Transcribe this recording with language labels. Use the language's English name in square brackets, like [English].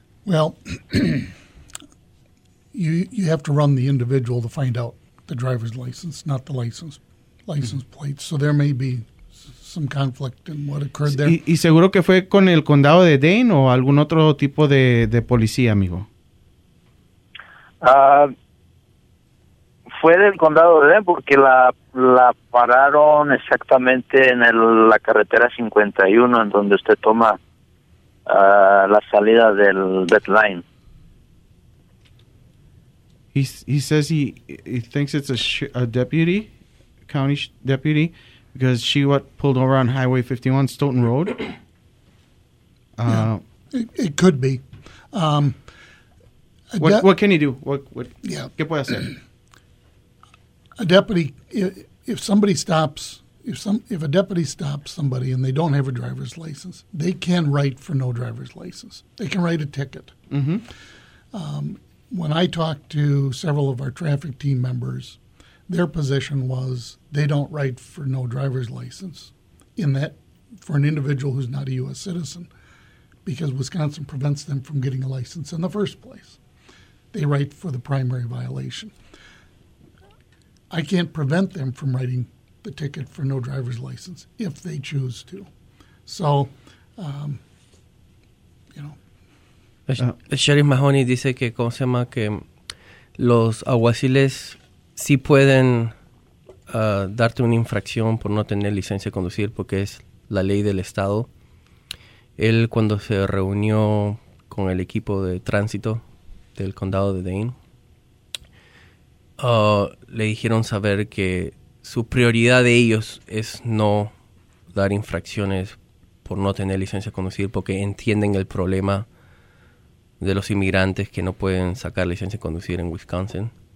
[English] Well, you have to run the individual to find out the driver's license, not the license mm-hmm. plates. So there may be some conflict in what occurred there. [Spanish] ¿Y seguro que fue con el condado de Dane o algún otro tipo de policía, amigo? Fue del condado de Dane porque la pararon exactamente en la carretera 51, en donde usted toma la salida del Beltline. [English] He says he thinks it's a deputy, county deputy, because she what pulled over on Highway 51, Stoughton Road. It could be. What can he do? What? Yeah. [Spanish] ¿Qué puede hacer? [English] A deputy, if a deputy stops somebody and they don't have a driver's license, they can write for no driver's license. They can write a ticket. Mm-hmm. When I talked to several of our traffic team members, their position was they don't write for no driver's license in that for an individual who's not a U.S. citizen because Wisconsin prevents them from getting a license in the first place. They write for the primary violation. I can't prevent them from writing the ticket for no driver's license if they choose to. So, [Spanish] El sheriff Mahoney dice que, ¿cómo se llama? Que los alguaciles sí pueden darte una infracción por no tener licencia de conducir, porque es la ley del estado. Él, cuando se reunió con el equipo de tránsito del condado de Dane, le dijeron saber que su prioridad de ellos es no dar infracciones por no tener licencia de conducir, porque entienden el problema de los inmigrantes que no pueden sacar licencia de conducir en Wisconsin.